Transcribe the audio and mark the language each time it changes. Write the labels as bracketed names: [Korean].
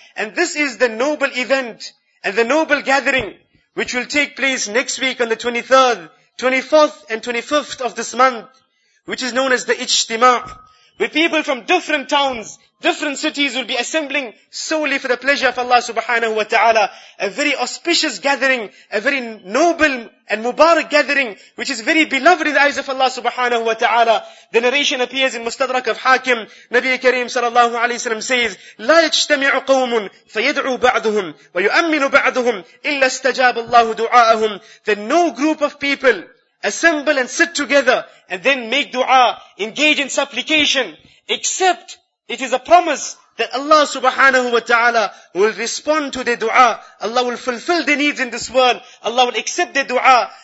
[English] And this is the noble event and the noble gathering which will take place next week on the 23rd, 24th and 25th of this month, which is known as the Ijtima', where people from different towns, different cities will be assembling solely for the pleasure of Allah subhanahu wa ta'ala. A very auspicious gathering, a very noble and mubarak gathering, which is very beloved in the eyes of Allah subhanahu wa ta'ala. The narration appears in Mustadrak of Hakim. [Arabic] Nabi Kareem sallallahu alayhi wa sallam says, لَا يَجْتَمِعُ قَوْمٌ فَيَدْعُوا بَعْضُهُمْ وَيُؤَمِّنُ بَعْضُهُمْ إِلَّا اسْتَجَابَ اللَّهُ دُعَاءَهُمْ. [English] Then no group of people assemble and sit together and then make dua, engage in supplication, except it is a promise that Allah subhanahu wa ta'ala will respond to their dua. Allah will fulfill their needs in this world. Allah will accept their dua.